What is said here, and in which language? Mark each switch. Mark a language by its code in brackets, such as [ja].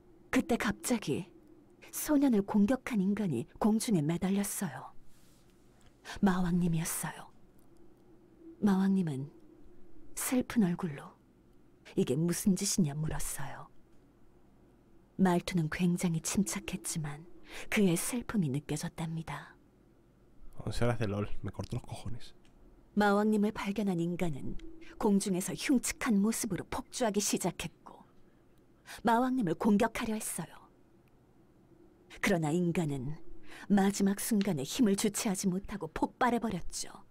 [ko] 그때 갑자기 소년을 공격한 인간이 공중에 매달렸어요. 마왕님이었어요. 마왕님은 슬픈 얼굴로 이게 무슨 짓이냐 물었어요. 말투는 굉장히 침착했지만 그의 슬픔이 느껴졌답니다. [es] Será de LOL, me corto los cojones. [ko] 마왕님을 발견한 인간은 공중에서 흉측한 모습으로 폭주하기 시작했고 마왕님을 공격하려 했어요. 그러나 인간은 마지막 순간에 힘을 주체하지 못하고 폭발해버렸죠.